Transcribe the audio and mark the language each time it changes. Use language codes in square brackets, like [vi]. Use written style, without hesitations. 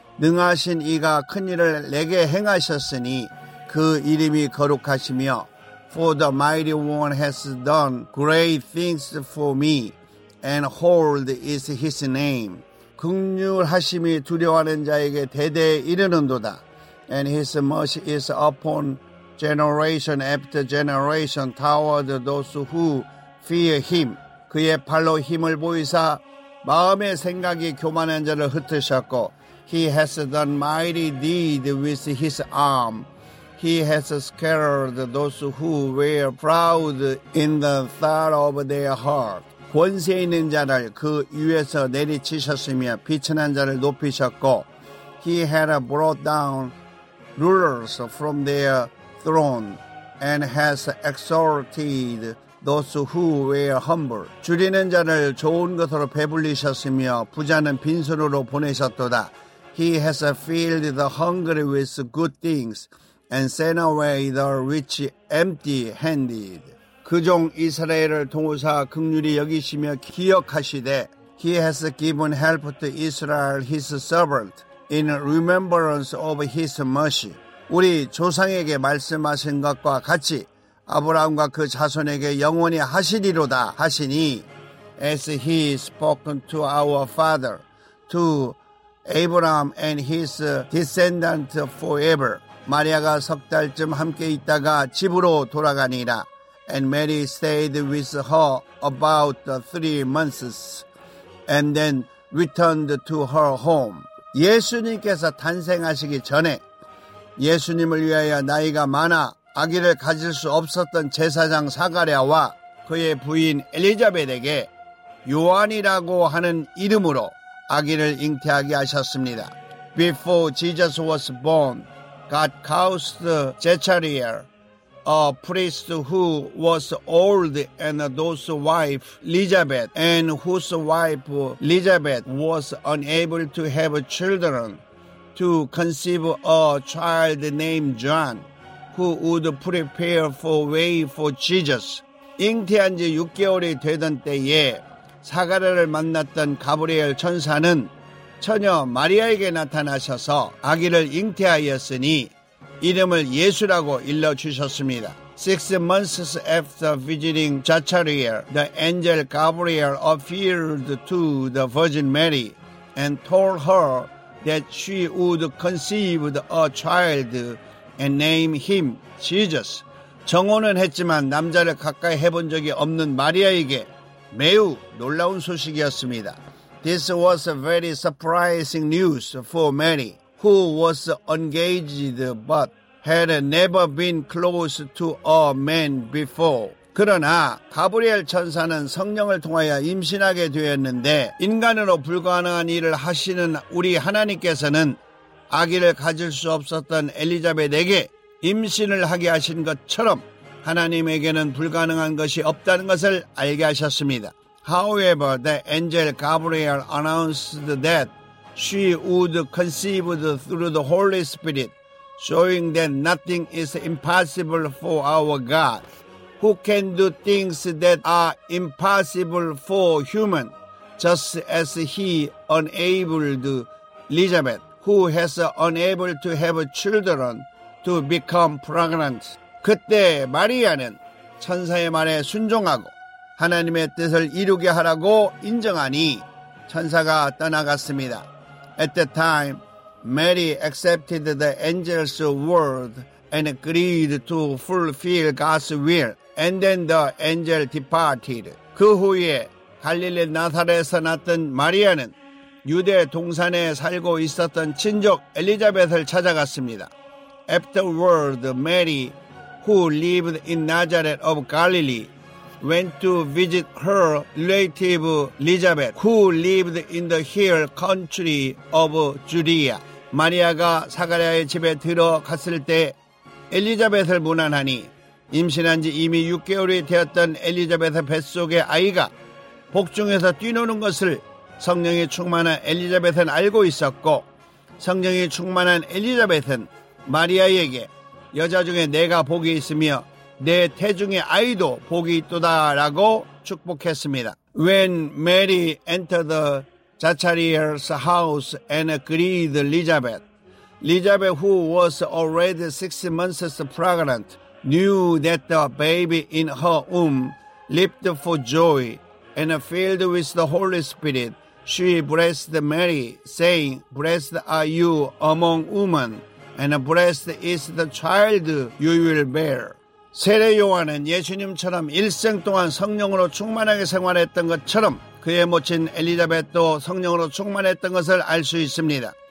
[ko] 능하신 이가 큰일을 내게 행하셨으니 그 이름이 거룩하시며 [en] For the mighty one has done great things for me and hold is his name. [ko] 긍휼하심이 두려워하는 자에게 대대에 이르는도다. [en] And his mercy is upon generation after generation toward those who fear him. [ko] 그의 팔로 힘을 보이사 마음의 생각이 교만한 자를 흩으셨고 [en] He has done mighty deed with his arm. He has scattered those who were proud in the thought of their heart. [ko] 권세 있는 자를 그 위에서 내리치셨으며 비천한 자를 높이셨고 [en] He had brought down rulers from their throne and has exalted those who were humble. [ko] 주리는 자를 좋은 것으로 배불리셨으며 부자는 빈손으로 보내셨도다. [en] He has filled the hungry with good things and sent away the rich empty-handed. [ko] 그 종 이스라엘을 통호사 긍휼히 여기시며 기억하시되 [en] He has given help to Israel, his servant, in remembrance of his mercy. [ko] 우리 조상에게 말씀하신 것과 같이 아브라함과 그 자손에게 영원히 하시리로다 하시니 [en] As he spoken to our father to Abraham and his descendant forever. [ko] 마리아가 석 달쯤 함께 있다가 집으로 돌아가니라. [en] And Mary stayed with her about 3 months and then returned to her home. [ko] 예수님께서 탄생하시기 전에 예수님을 위하여 나이가 많아 아기를 가질 수 없었던 제사장 사가랴와 그의 부인 엘리자벳에게 요한이라고 하는 이름으로 아기를 잉태하게 하셨습니다. [en] Before Jesus was born, God caused Zechariah, a priest who was old and those wife, Elizabeth, and whose wife, Elizabeth, was unable to have children, to conceive a child named John, who would prepare for way for Jesus. [ko] 잉태한 지 6개월이 되던 때에 사가랴를 만났던 가브리엘 천사는 처녀 마리아에게 나타나셔서 아기를 잉태하였으니 이름을 예수라고 일러주셨습니다. [en] Six months after visiting Zachariah, the angel Gabriel appeared to the Virgin Mary and told her that she would conceive a child and name him Jesus. [ko] 정혼은 했지만 남자를 가까이 해본 적이 없는 마리아에게 매우 놀라운 소식이었습니다. [en] This was a very surprising news for Mary, who was engaged but had never been close to a man before. [ko] 그러나 가브리엘 천사는 성령을 통하여 임신하게 되었는데 인간으로 불가능한 일을 하시는 우리 하나님께서는 아기를 가질 수 없었던 엘리자벳에게 임신을 하게 하신 것처럼 하나님에게는 불가능한 것이 없다는 것을 알게 하셨습니다. [en] However, the angel Gabriel announced that she would conceive through the Holy Spirit, showing that nothing is impossible for our God, who can do things that are impossible for human, just as he enabled Elizabeth, who has unable to have children, to become pregnant. [ko] 그때 마리아는 천사의 말에 순종하고 하나님의 뜻을 이루게 하라고 인정하니 천사가 떠나갔습니다. [en] At that time, Mary accepted the angel's word and agreed to fulfill God's will. And then the angel departed. [ko] 그 후에 갈릴리 나사렛에서 낳던 마리아는 유대 동산에 살고 있었던 친족 엘리자벳을 찾아갔습니다. [en] Afterward, Mary, who lived in Nazareth of Galilee, went to visit her relative Elizabeth, who lived in the hill country of Judea. [ko] 마리아가 사가랴의 집에 들어갔을 때 엘리자벳을 문안하니 임신한 지 이미 6개월이 되었던 엘리자벳의 뱃속의 아이가 복중에서 뛰노는 것을 성령이 충만한 엘리자벳은 알고 있었고 성령이 충만한 엘리자벳은 마리아에게 여자 중에 내가 복이 있으며 내 태중의 아이도 복이 있도다라고 축복했습니다. [en] When Mary entered the Zachariah's house and greeted Elizabeth, Elizabeth, who was already 6 months pregnant, knew that the baby in her womb leaped for joy and filled with the Holy Spirit. She blessed Mary, saying, "Blessed are you among women, and blessed is the child you will bear." [ko] 세례 요한은 예수님처럼 일생 동안 성령으로 충만하게 생활했던 것처럼 그의 모친 엘리자벳도 성령으로 충만했던 것을 알 수 있습니다.